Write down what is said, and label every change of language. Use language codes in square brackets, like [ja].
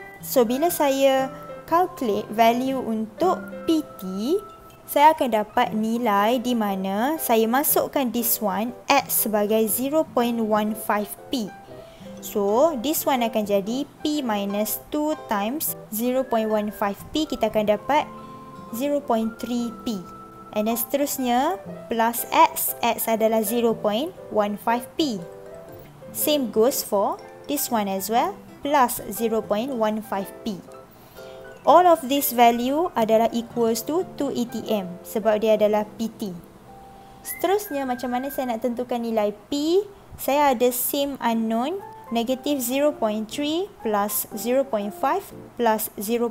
[ms] So bila saya calculate value untuk PT, saya akan dapat nilai di mana saya masukkan this one X sebagai 0.15P. So this one akan jadi P minus 2 times 0.15P, kita akan dapat 0.3P. [en] And then seterusnya plus X, X adalah 0.15P. Same goes for this one as well, plus 0.15P. All of this value adalah equals to 2 ATM, [ms] sebab dia adalah PT. Seterusnya, macam mana saya nak tentukan nilai P? Saya ada same unknown, negative 0.3 plus 0.5 plus 0.5.